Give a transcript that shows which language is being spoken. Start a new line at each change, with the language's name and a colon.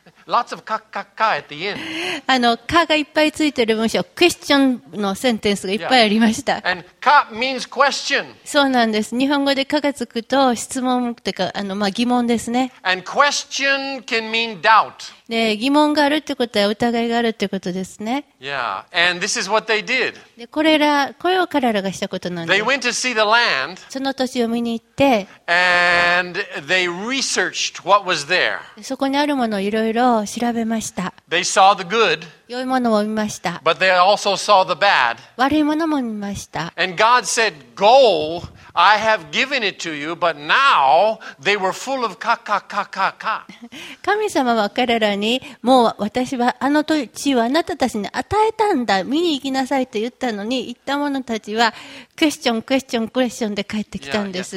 English: Lots of ka, ka, ka at the end.
Japanese: かがいっぱいついてる文章、クエスチョンのセンテンスがいっぱいありました。
English: Yeah. And ka means question.
Japanese: そうなんです。日本語でかがつくと質問というか、疑問ですね。
English: And question can mean doubt.
Japanese: で、疑問があるってことは疑いがあるってことですね。
English: Yeah. And this is what they did.
Japanese: で、これを彼らがしたことなんです。
English: They went to see the land.
Japanese: その土地を見に行って、
English: And they researched what was there.
Japanese: そこにあるものをいろいろ調べました。
English: They saw the good,
Japanese: 良いものも見ました。
English: But they also saw the bad.
Japanese: 悪いものも見ました。
English: And God said, "Go, I have given it to you." But now they were full of ka ka ka ka ka.
Japanese: 神様は彼らに、もう私はあの土地をあなたたちに与えたんだ。見に行きなさいと言ったのに、行った者たちはクエスチョンクエスチョンクエスチョンで帰ってきたんです。